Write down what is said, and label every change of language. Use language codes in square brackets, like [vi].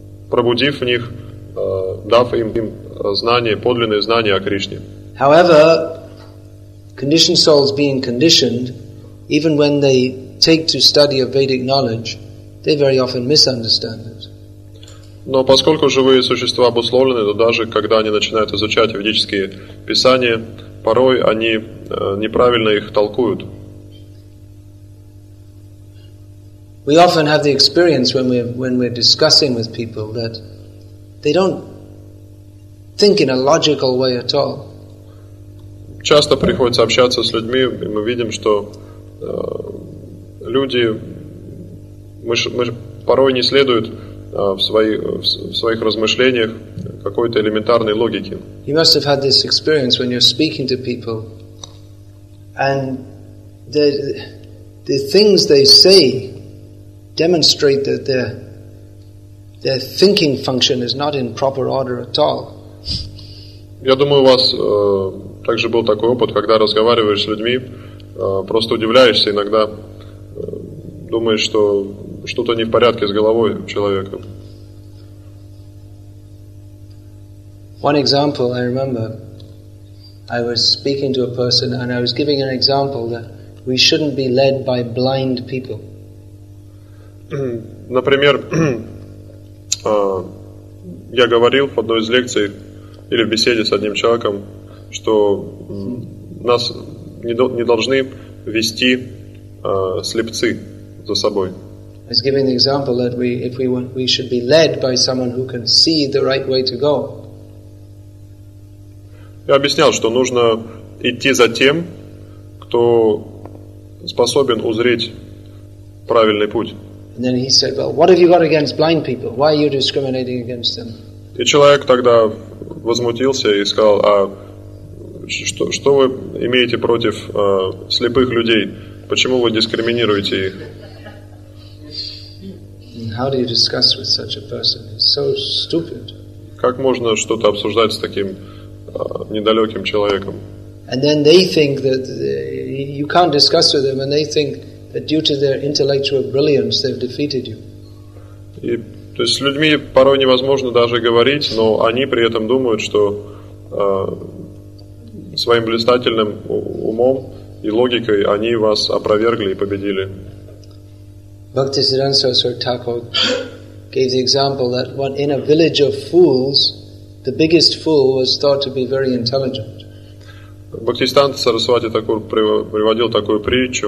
[ru] Пробудив в них, дав им знание, подлинное знание о Кришне. [en] However, conditioned souls being conditioned, even when they take to study of Vedic knowledge, they very often misunderstand it. [ru] Но поскольку живые существа обусловлены, то даже когда они начинают изучать ведические писания, порой они неправильно их толкуют. [en] We often have the experience when we're discussing with people that they don't think in a logical way at all. [ru] Часто приходится общаться с людьми, и мы видим, что люди мы порой не следуют в своих размышлениях какой-то элементарной логике. [en] You must have had this experience when you're speaking to people and the things they say demonstrate that their thinking function is not in proper order at all. [ru] Я думаю, у вас также был такой опыт, когда разговариваешь с людьми, просто удивляешься иногда, думаешь, что что-то не в порядке с головой человека. [en] One example I remember, I was speaking to a person and I was giving an example that we shouldn't be led by blind people. [ru] Например, я говорил в одной из лекций или в беседе с одним человеком, что нас не должны вести слепцы за собой. [en] I was giving the example that we should be led by someone who can see the right way to go. [ru] Я объяснял, что нужно идти за тем, кто способен узреть правильный путь. [en] And then he said, "Well, what have you got against blind people? Why are you discriminating against them?" [ru] И человек тогда возмутился и сказал: "А что вы имеете против слепых людей? Почему вы дискриминируете их?" [en] And how do you discuss with such a person? It's so stupid. [ru] Как можно что-то обсуждать с таким недалеким человеком? [en] And then they think that you can't discuss with them, and they think that due to their intellectual brilliance, they've defeated you. [ru] И, то есть, с людьми порой невозможно даже говорить, но они при этом думают, что своим блистательным умом и логикой они вас опровергли и победили. [en] Bhaktisiddhanta Saraswati Thakur gave the example that what in a village of fools, the biggest fool was thought to be very intelligent. [ru] Бхактисиддханта Сарасвати приводил такую притчу.